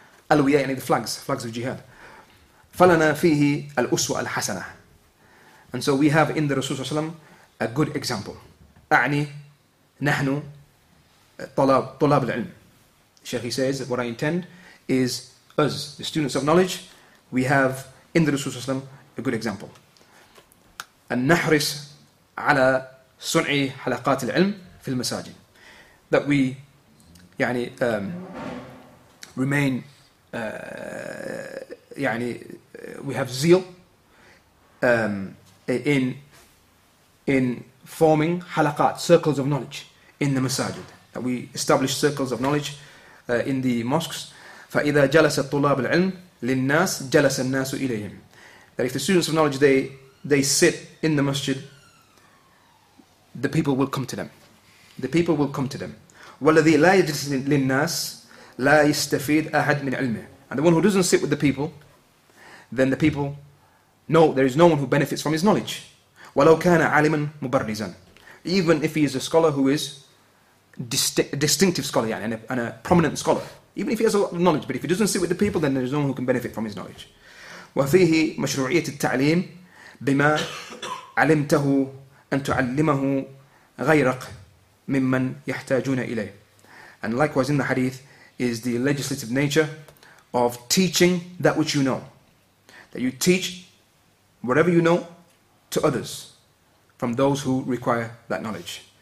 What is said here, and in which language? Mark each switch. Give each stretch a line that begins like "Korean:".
English: أَلْوِيَةَ, يعني the flags of jihad.
Arabic: فَلَنَا فِيهِ الْأُسْوَةَ الْحَسَنَةَ,
English: and so we have in the Rasulullah صلى الله عليه وسلم a good example.
Arabic: أعني نحن طلاب العلم.
English: Shaykh, he says that what I intend is us, the students of knowledge, we have in the Rasulullah a good example.
Arabic: النحرس على صنع حلقات العلم في المساجد.
English: That we يعني remain يعني we have zeal in forming حلقات, circles of knowledge in the masajid. That we establish circles of knowledge in the mosques.
Arabic: فإذا جلس الطلاب العلم للناس جلس الناس إليهم.
English: That if the students of knowledge they sit in the masjid, the people will come to them. The people will come to them.
Arabic: والذي لا يجلس للناس لا يستفيد أحد من علمه.
English: And the one who doesn't sit with the people, then the people know there is no one who benefits from his knowledge.
Arabic: ولو كان عالما مبرزا.
English: Even if he is a scholar who is distinctive scholar, يعني, and a prominent scholar. Even if he has a lot of knowledge, but if he doesn't sit with the people, then there is no one who can benefit from his knowledge.
Arabic: وفيه مشروعية التعليم بما علمته أن تعلمه غيرك ممن يحتاجون إليه.
English: And likewise in the hadith is the legislative nature of teaching that which you know. That you teach whatever you know to others from those who require that knowledge.